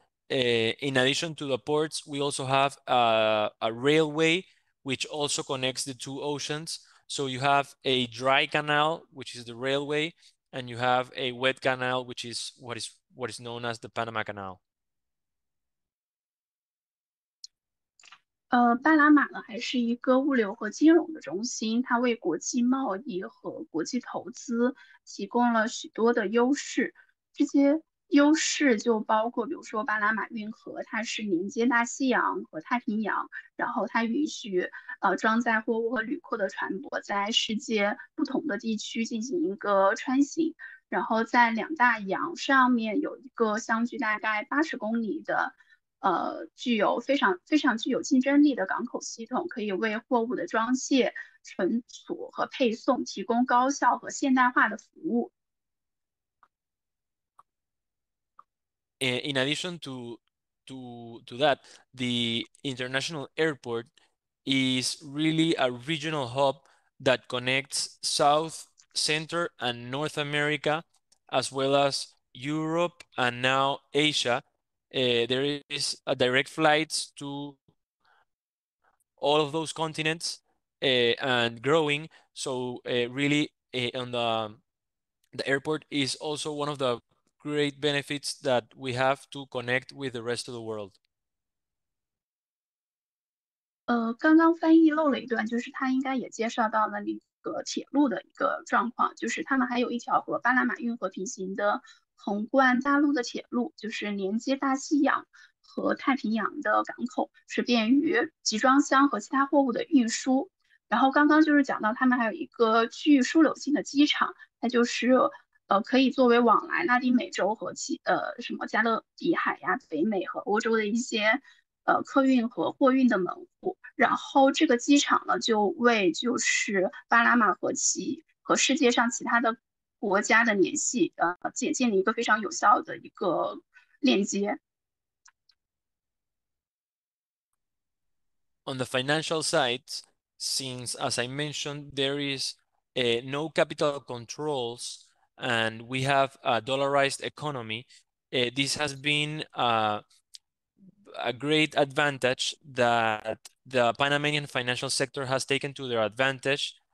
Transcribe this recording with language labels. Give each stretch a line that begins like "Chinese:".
English: In addition to the ports, we also have a railway, which also connects the two oceans. So you have a dry canal, which is the railway, and you have a wet canal, which is what is known as the Panama Canal.
Chinese: 巴拿马呢还是一个物流和金融的中心，它为国际贸易和国际投资提供了许多的优势。这些优势就包括比如说巴拿马运河，它是连接大西洋和太平洋，然后它允许装载货物和旅客的船舶在世界不同的地区进行一个穿行。然后在两大洋上面有一个相距大概80公里的具有非常非常具有竞争力的港口系统，可以为货物的装卸、存储和配送提供高效和现代化的服务。
English: In addition to that, the international airport is really a regional hub that connects South, Center, and North America, as well as Europe and now Asia. There is a direct flights to all of those continents and growing. So really on the airport is also one of the great benefits that we have to connect with the rest of the world.
Chinese: 刚刚翻译漏了一段，就是他应该也介绍到了那个铁路的一个状况，就是他们还有一条和巴拿马运河平行的横贯大陆的铁路，就是连接大西洋和太平洋的港口，是便于集装箱和其他货物的运输。然后刚刚就是讲到他们还有一个具枢纽性的机场，它就是可以作为往来拉丁美洲和什么加勒比海呀、北美和欧洲的一些客运和货运的门户。然后这个机场呢，就为就是巴拿马和世界上其他的国家的联系，建立一个非常有效的一个链接。
English: On the financial side, since, as I mentioned, there is no capital controls and we have a dollarized economy, this has been a great advantage that the Panamanian financial sector has taken to their advantage.